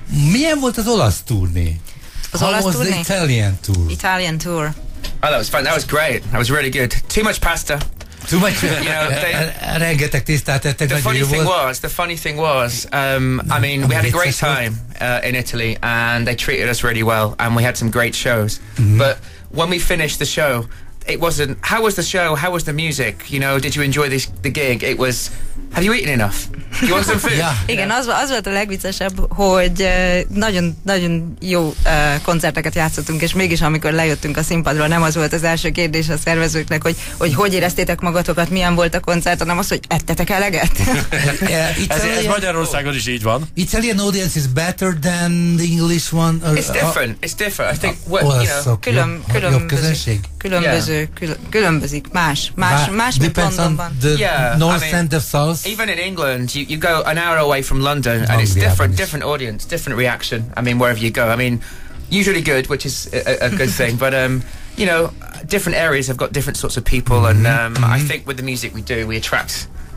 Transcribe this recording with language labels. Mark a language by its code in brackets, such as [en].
[hu] Milyen volt az olasz turné? [en] Italian tour. Oh, that was fun. That was great. That was really good. Too much pasta. Too much. You know, [hu] rengeteg tésztát tettek, nagyon jó volt. [en] The funny thing was, we had a great time in Italy, and they treated us really well, and we had some great shows. Mm-hmm. But when we finished the show, it wasn't, how was the show, how was the music, you know, did you enjoy the gig? It was, have you eaten enough? You want some food? Yeah. [hu] Igen, az volt a legviccesebb, hogy nagyon-nagyon jó koncerteket játszottunk, és mégis amikor lejöttünk a színpadról, nem az volt az első kérdés a szervezőknek, hogy éreztétek magatokat, milyen volt a koncert, hanem az, hogy ettetek eleget? ez Magyarországon is így van. [en] Italian audience is better than the English one? It's different. I think, [hu] Különbözik, más, mint Londonban. [en] Even in England, you go an hour away from London, and it's different audience, different reaction. I mean, wherever you go, I mean, usually good, which is a good thing. But you know, different areas have got different sorts of people, mm-hmm. and I think with the music we do, we attract